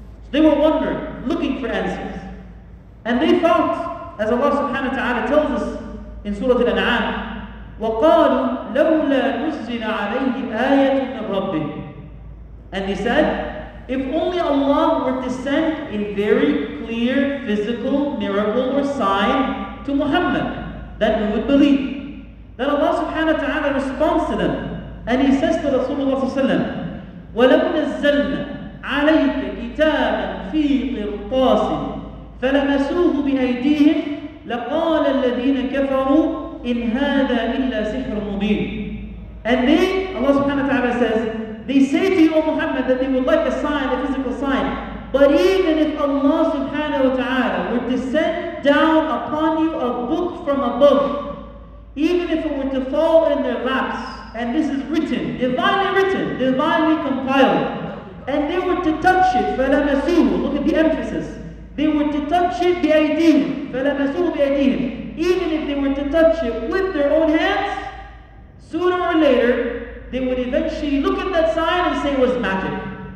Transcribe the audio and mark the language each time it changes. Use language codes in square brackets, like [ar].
[en] So they were wondering, looking for answers. And they thought, as Allah subhanahu wa ta'ala tells us in Surah Al-An'am, [ar] وَقَالُوا لَوْلَا نُزِّلَ عَلَيْهِ آيَةٌ مِّن رَبِّهِ. [en] And he said, if only Allah were to send a very clear physical miracle or sign to Muhammad, then we would believe. Then Allah subhanahu wa ta'ala responds to them, and he says to Rasulullah sallam, [ar] وَلَوْ نَزَّلْنَا عَلَيْكَ كِتَابًا فِي قِرْطَاسٍ فَلَمَسُوهُ بِأَيْدِيهِمْ لَقَالَ الَّذِينَ كَفَرُوا إِنْ هَذَا إِلَّا سِحْرٌ مُبِينٌ. [en] And they, Allah subhanahu wa ta'ala says, they say to you, O Muhammad, that they would like a sign, a physical sign. But even if Allah subhanahu wa ta'ala were to send down upon you a book from above, even if it were to fall in their laps, and this is written, divinely compiled, and they were to touch it, فَلَمَسُوهُ, look at the emphasis, they were to touch it, بِأَيْدِيهِمْ, [ar] فَلَمَسُوهُ بِأَيْدِيهِمْ, [en] even if they were to touch it with their own hands, sooner or later, they would eventually look at that sign and say it was magic.